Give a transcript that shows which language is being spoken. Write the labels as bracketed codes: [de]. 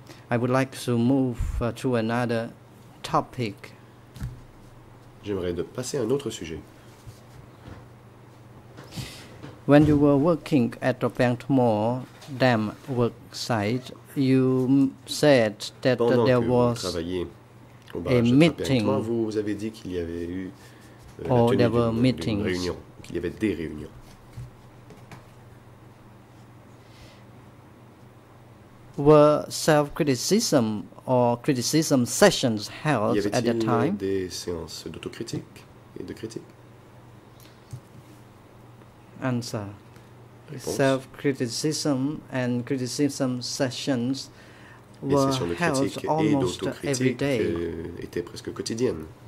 [en] I would like to move to another topic. [fr] J'aimerais de passer à un autre sujet. [en] When you were working at the Pengtmol dam work site, you said that there was a meeting. [fr] Vous avez dit qu'il y avait eu qu'il y avait des réunions. [en] Were self-criticism or criticism sessions held at that time? [fr] Y avait-il des séances d'autocritique et de critique? [en] Answer. [fr] Réponse. [en] Self-criticism and criticism sessions were held almost every day. [fr] Étaient presque quotidiennes.